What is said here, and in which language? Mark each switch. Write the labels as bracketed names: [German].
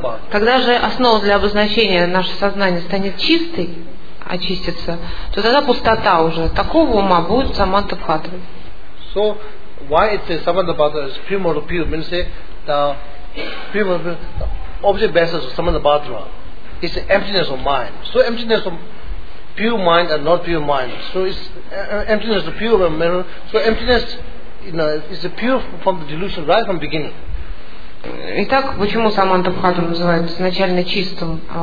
[Russian] Когда же основа для обозначения наше сознание станет чистой, очистится, то тогда пустота уже такого ума будет Самадабхадрой. [English] So why it says Samadabhadra is primordial pure, means the primordial object basis of Samadabhadra is the emptiness of mind. So emptiness of pure mind and not pure mind. So it's emptiness of pure mind. So emptiness, you know, is pure from the delusion right from the beginning. [Russian] Итак, почему Самадабхадру называют изначально чистым?